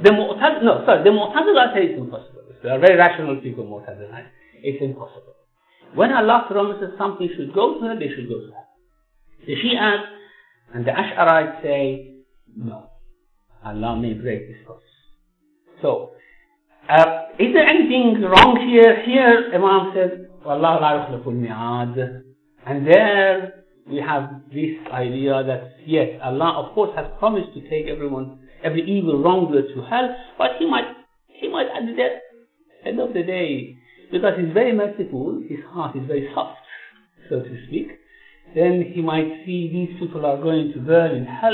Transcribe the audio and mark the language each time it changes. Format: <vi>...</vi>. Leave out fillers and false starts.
<en>The Mu'tazila say it's impossible. They are very rational people, Mu'tazila. It's impossible. When Allah promises something should go to her, they should go to her. The Shi'as and the Ash'ari say, no. Allah may break this promise. So, is there anything wrong here?</en> <ar>Here, Imam says, وَاللَّهُ لَا يُخْلَفُ الْمِعَادِ.</ar> <en>And there, we have this idea that, yes, Allah, of course, has promised to take everyone, every evil wrongdoer to hell, but He might at the end of the day, because he's very merciful, his heart is very soft, so to speak, then he might see these people are going to burn in hell.</en>